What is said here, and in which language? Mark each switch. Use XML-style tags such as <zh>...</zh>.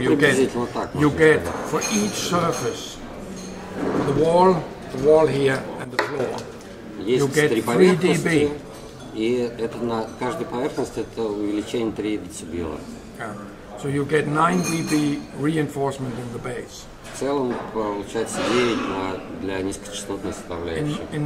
<en>You get, for each surface, the wall here and the floor, you get 3 dB.</en> <ru>И это на каждой поверхности это увеличение 3 дБ.</ru> <en>So you get 9 dB reinforcement in the base.</en> <ru>В целом получается 9 для низкочастотной составляющей.</ru>